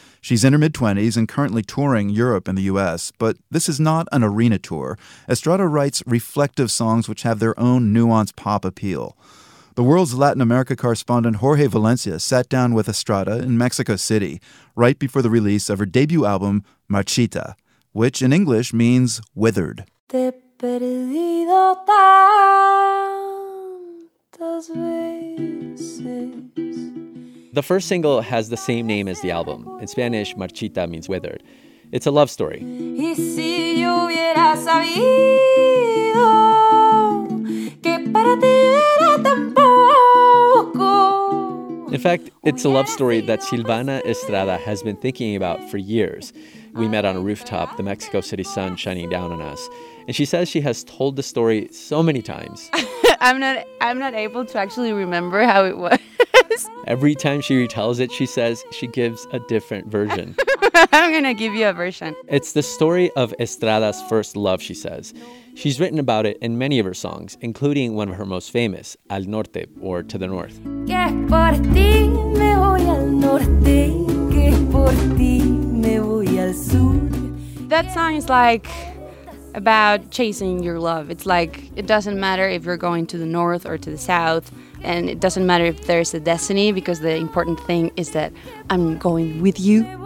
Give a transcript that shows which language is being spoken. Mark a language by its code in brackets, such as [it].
[en] She's in her mid-20s and currently touring Europe and the U.S., but this is not an arena tour. Estrada writes reflective songs which have their own nuanced pop appeal. The World's Latin America correspondent Jorge Valencia sat down with Estrada in Mexico City right before the release of her debut album, Marchita, which in English means withered. [es] Te he perdido tantas veces. [en] The first single has the same name as the album. In Spanish, Marchita means withered. It's a love story. [es] Y si yo hubiera sabido que para ti era tan poco. [en] In fact, it's a love story that Silvana Estrada has been thinking about for years. We met on a rooftop, the Mexico City sun shining down on us. And she says she has told the story so many times. I'm not able to actually remember how it was. Every time she retells it, she says she gives a different version. I'm going to give you a version. It's the story of Estrada's first love, she says. She's written about it in many of her songs, including one of her most famous, Al Norte, or To the North. [es] Que por ti me voy al norte, que por ti me voy al sur. [en] That song is like about chasing your love. It's like it doesn't matter if you're going to the north or to the south, and it doesn't matter if there's a destiny, because the important thing is that I'm going with you.